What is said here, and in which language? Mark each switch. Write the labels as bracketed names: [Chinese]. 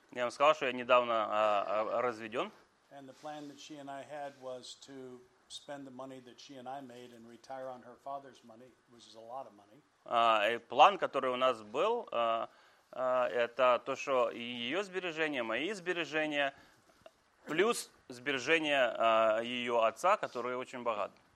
[Russian] Я вам сказал, что я недавно разведен. [English] And the plan that she and I had was to spend the money that she and I made and retire on her father's money, which is a lot of money. [Russian] И план, который у нас был, это то, что ее сбережения, мои сбережения, плюс сбережения ее отца, который очень богат.